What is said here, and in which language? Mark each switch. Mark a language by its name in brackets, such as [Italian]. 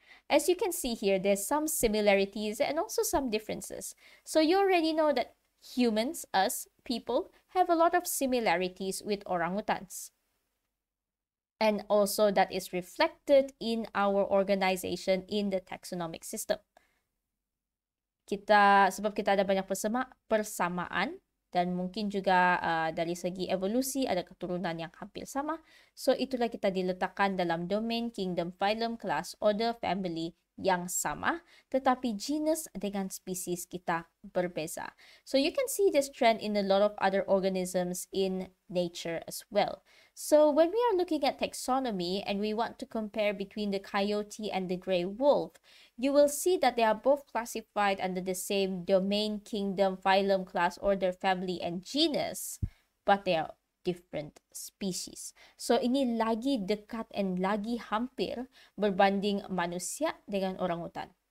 [English] As you can see here, there's some similarities and also some differences. So you already know that humans, us people, have a lot of similarities with orangutans. And also that is reflected in our organization in the taxonomic system. [Malay] Sebab kita ada banyak persamaan, dan mungkin juga dari segi evolusi ada keturunan yang hampir sama. So itulah kita diletakkan dalam domain, kingdom, phylum, class, order, family yang sama. Tetapi genus dengan species kita berbeza. [English] So you can see this trend in a lot of other organisms in nature as well. So when we are looking at taxonomy and we want to compare between the coyote and the gray wolf, you will see that they are both classified under the same domain, kingdom, phylum, class, order, family, and genus, but they are different species. [Malay] So ini lagi dekat and lagi hampir berbanding manusia dengan orangutan.